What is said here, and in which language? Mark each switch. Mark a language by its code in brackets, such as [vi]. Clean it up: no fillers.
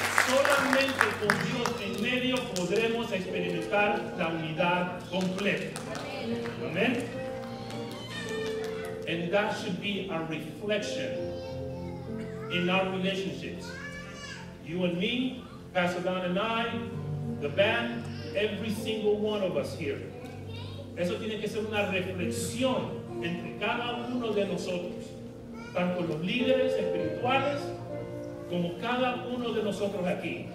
[es] Solamente con Dios en medio podremos experimentar la unidad completa. [en] Amen. And that should be a reflection in our relationships. You and me, Pastor Don and I, the band, every single one of us here. [es] Eso tiene que ser una reflexión entre cada uno de nosotros, tanto los líderes espirituales como cada uno de nosotros aquí.